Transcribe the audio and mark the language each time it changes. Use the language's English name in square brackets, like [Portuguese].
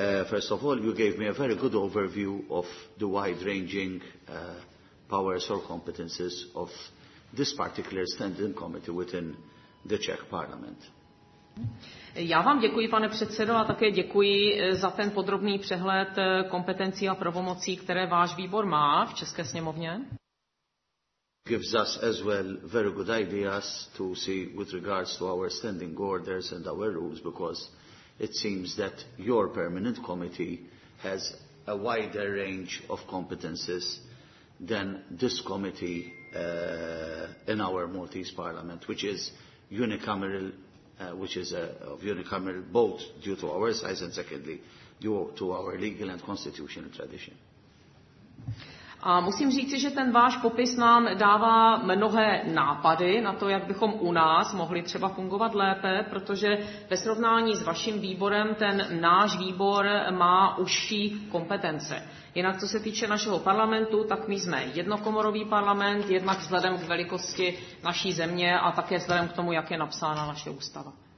[English] First of all, you gave me a very good overview of the wide-ranging powers or competences of this particular standing committee within the Czech parliament. [Czech] Já vám děkuji, pane předsedo, a také děkuji za ten podrobný přehled kompetencí a pravomocí, které váš výbor má v České sněmovně. [English] Gives us as well very good ideas to see with regards to our standing orders and our rules, because it seems that your permanent committee has a wider range of competences than this committee in our Maltese parliament, which is unicameral, of unicameral both due to our size and secondly due to our legal and constitutional tradition. [Czech] A musím říci, že ten váš popis nám dává mnohé nápady na to, jak bychom u nás mohli třeba fungovat lépe, protože ve srovnání s vaším výborem ten náš výbor má užší kompetence. Jinak, co se týče našeho parlamentu, tak my jsme jednokomorový parlament, jednak vzhledem k velikosti naší země a také vzhledem k tomu, jak je napsána naše ústava.